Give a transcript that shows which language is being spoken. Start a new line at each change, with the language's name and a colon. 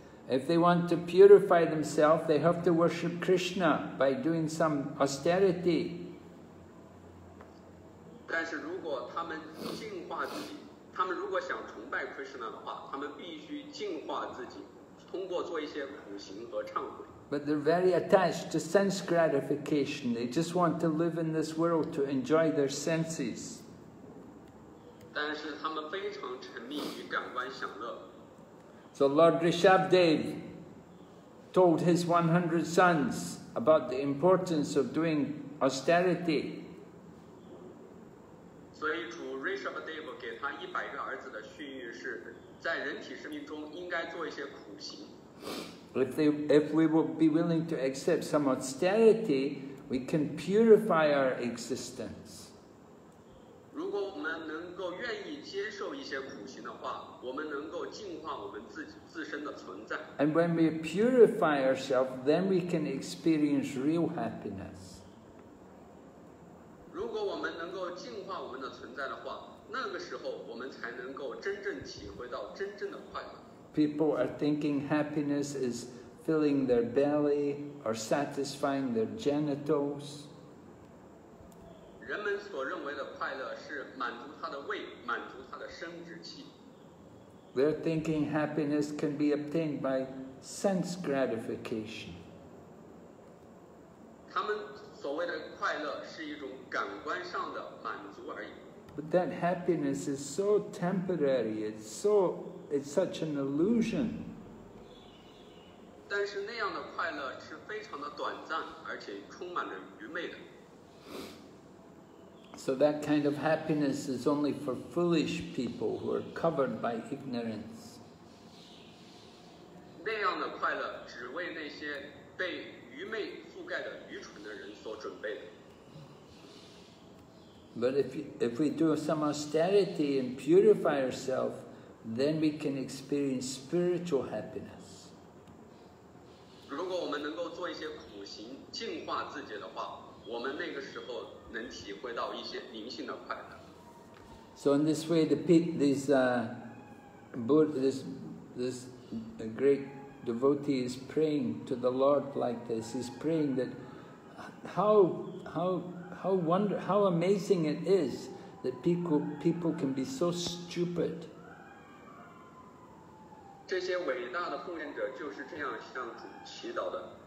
English: If they want to purify themselves, they have to worship Krishna by doing some austerity.
Chinese: 但是如果他们净化自己，他们如果想崇拜 Krishna 的话，他们必须净化自己，通过做一些苦行和忏悔。
English: But they're very attached to sense gratification. They just want to live in this world to enjoy their senses.
Chinese: 但是他们非常沉迷于感官享乐。
English: So Lord Rishabhdev told his 100 sons about the importance of doing austerity.
Chinese: 所以主 Rishabhdev 给他100个儿子的训谕是，在人体生命中应该做一些苦行。
English: If we will be willing to accept some austerity, we can purify our existence.
Chinese: 如果我们能够愿意接受一些苦行的话，我们能够净化我们自身的存在。
English: And when we purify ourselves, then we can experience real happiness.
Chinese: 如果我们能够净化我们的存在的话，那个时候我们才能够真正体会到真正的快乐。
English: People are thinking happiness is filling their belly or satisfying their genitals.
Chinese: 人们所认为的快乐是满足他的胃，满足他的生殖器。
English: They're thinking happiness can be obtained by sense gratification.
Chinese: 他们所谓的快乐是一种感官上的满足而已。
English: But that happiness is so temporary, it's such an illusion.
Chinese: 但是那样的快乐是非常的短暂，而且充满了愚昧的。
English: So that kind of happiness is only for foolish people who are covered by ignorance.
Chinese: 那样的快乐只为那些被愚昧覆盖的愚蠢的人所准备的。
English: But if we do some austerity and purify ourselves, then we can experience spiritual happiness.
Chinese: 如果我们能够做一些苦行，净化自己的话，我们那个时候能体会到一些灵性的快乐。
English: So in this way, this great devotee is praying to the Lord like this. He's praying that how amazing it is that people can be so stupid.
Chinese: 这些伟大的奉献者就是这样向主祈祷的。